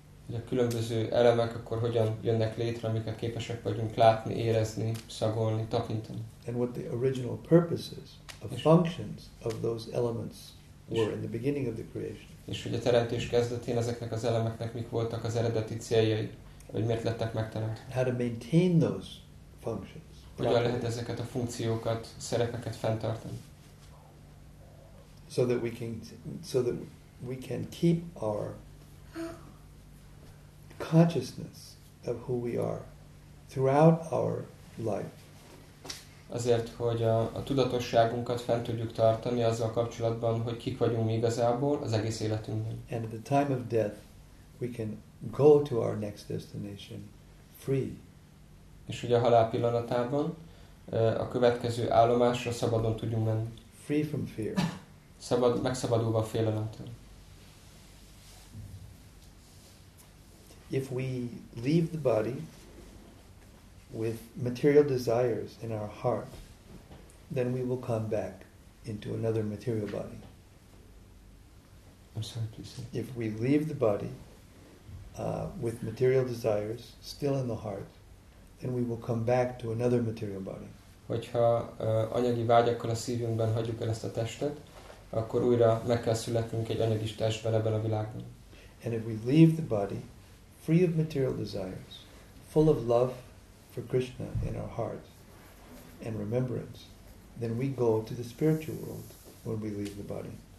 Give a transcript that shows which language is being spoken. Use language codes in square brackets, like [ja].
[hu] A különböző elemek akkor hogyan jönnek létre, amiket képesek vagyunk látni, érezni, szagolni, tapintani. [en] And what the original purposes of functions of those elements were in the beginning of the creation. [hu] És hogy a teremtés kezdetén ezeknek az elemeknek mik voltak az eredeti céljai, hogy miért lettek megteremtve. [en] How to maintain those functions. [hu] Hogyan lehet ezeket a funkciókat, szerepeket fenntartani? [en] So that we can keep our consciousness of who we are throughout our life. [hu] Azért, hogy a tudatosságunkat fent tudjuk tartani azzal kapcsolatban, hogy kik vagyunk mi igazából az egész életünkben. [en] And at the time of death, we can go to our next destination free. [hu] És ugye a halál pillanatában a következő állomásra szabadon tudjunk menni. [en] Free from fear. [hu] Szabad, megszabadulva a félelemtől. [en] If we leave the body with material desires in our heart, then we will come back into another material body. I'm sorry, please say. If we leave the body with material desires still in the heart, then we will come back to another material body. [hu] Hogyha anyagi vágyakkal a szívünkben hagyjuk el ezt a testet, akkor újra meg kell születnünk egy anyagi testben ebben a világban. [en] And if we leave the body free of material desires, full of love for Krishna in our heart and remembrance, then we go to the spiritual world when we leave the body.